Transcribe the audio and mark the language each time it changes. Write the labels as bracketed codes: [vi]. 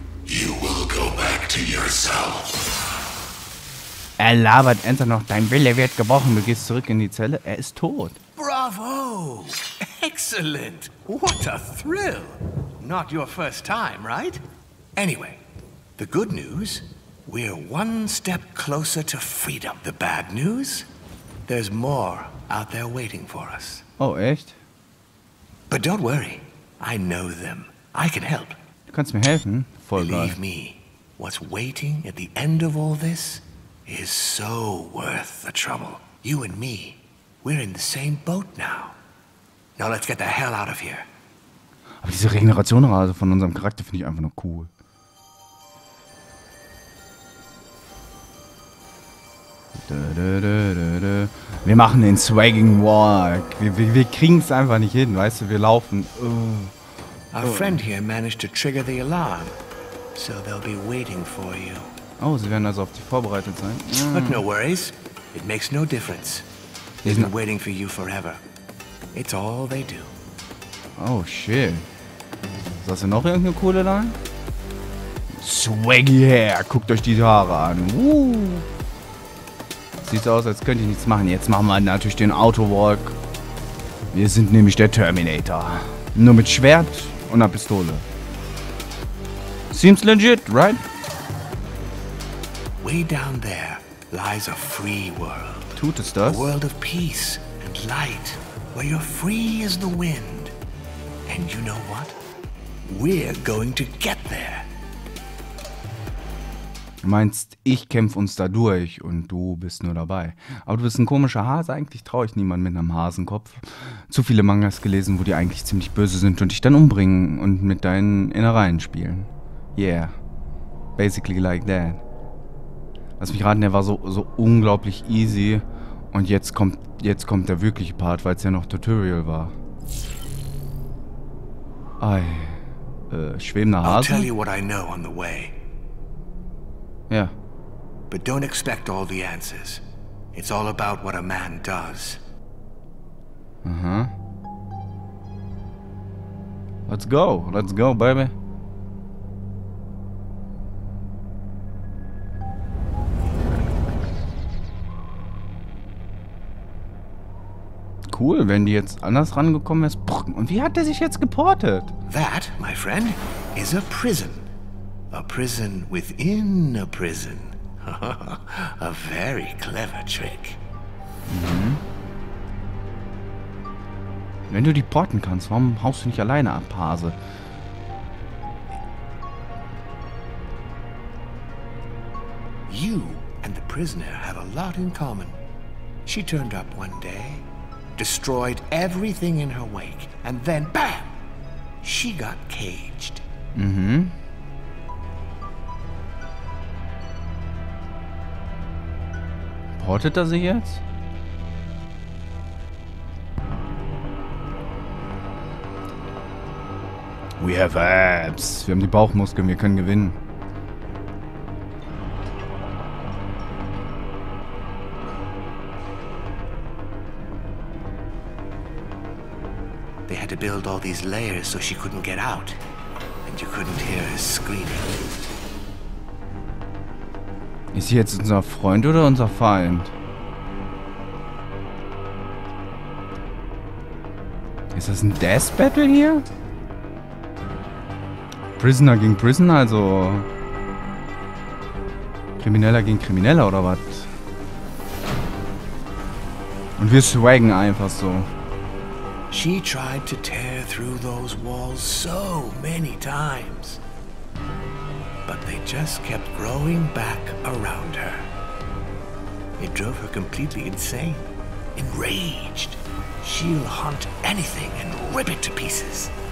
[en] You will go back to yourself. [de] Er labert Enter noch. Dein Wille wird gebrochen. Du gehst zurück in die Zelle. Er ist tot. [en] Bravo! Excellent! What a thrill! Not your first time, right? Anyway. The good news, we're one step closer to freedom. The bad news, there's more out there waiting for us. [de] Oh, echt? [en] But don't worry, I know them. I can help. [de] Du kannst mir helfen, voll geil. [en] Believe me, what's waiting at the end of all this is so worth the trouble. You and me, we're in the same boat now. Now let's get the hell out of here. [de] Aber diese Regenerationsrate von unserem Charakter finde ich einfach nur cool. Wir machen den Swagging Walk. Wir kriegen es einfach nicht hin, weißt du? Wir laufen. [en] Our friend here managed to trigger the alarm, so they'll be waiting for you. [de] Oh, sie werden also auf dich vorbereitet sein. [en] But no worries, it makes no difference. They've been waiting for you forever. It's all they do. Oh shit. [de] Hast du noch irgendeine coole Line? Swaggy Hair, guckt euch diese Haare an. Sieht aus, als könnte ich nichts machen. Jetzt machen wir natürlich den Autowalk. Wir sind nämlich der Terminator. Nur mit Schwert und einer Pistole. [en] Seems legit, right? Way down there lies a free world. [de] Tut es das? [en] A world of peace and light, where you're free as the wind. And you know what? We're going to get there. [de] Du meinst, ich kämpfe uns da durch und du bist nur dabei. Aber du bist ein komischer Hase, eigentlich traue ich niemanden mit einem Hasenkopf. Zu viele Mangas gelesen, wo die eigentlich ziemlich böse sind und dich dann umbringen und mit deinen Innereien spielen. [en] Yeah, basically like that. [de] Lass mich raten, der war so unglaublich easy und jetzt kommt der wirkliche Part, weil es ja noch Tutorial war. Ei, schwebender Hase? [en] I'll tell you what I know on the way. Yeah. But don't expect all the answers. It's all about what a man does. Uh-huh. Let's go. Let's go, baby. [de] Cool, wenn die jetzt anders rangekommen wäre. Und wie hat der sich jetzt geportet? [en] That, my friend, is a prison. A prison within a prison. A very clever trick. Mhm. [de] Wenn du die porten kannst, warum haust du nicht alleine ab, Hase? [en] You and the prisoner have a lot in common. She turned up one day, destroyed everything in her wake, and then bam! She got caged. Mhm. [de] Portet er sich jetzt? [en] We have abs. [de] Wir haben die Bauchmuskeln, wir können gewinnen. [en] to build all these layers so she couldn't get out. And you couldn't hear her screaming. [de] Ist sie jetzt unser Freund oder unser Feind? Ist das ein Death Battle hier? Prisoner gegen Prisoner, also... Krimineller gegen Krimineller, oder was? Und wir swaggen einfach so. [en] She tried to tear through those walls so many times. But they just kept growing back around her. It drove her completely insane. Enraged. She'll hunt anything and rip it to pieces.